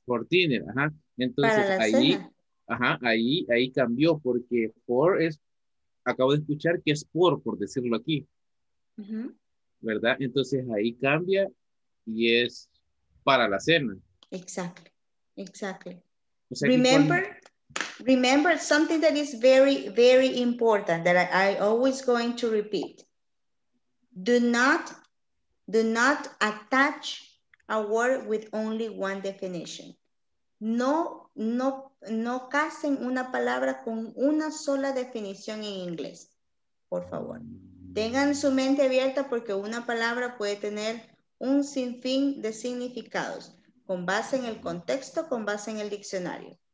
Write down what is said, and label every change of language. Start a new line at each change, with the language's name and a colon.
English: For dinner, ajá.
Spanish: Entonces ahí cambió porque for es, acabo de escuchar que es por decirlo aquí. Uh-huh. ¿Verdad? Entonces ahí cambia y es para la cena. Exacto. Exactly.
English: Remember something that is very, very important that I always going to repeat. Do not attach a word with only one definition.
Spanish: No casen una palabra con una sola definición en inglés. Por favor. Tengan su mente abierta porque una palabra puede tener un sinfín de significados. Con base en el contexto, con base en el diccionario.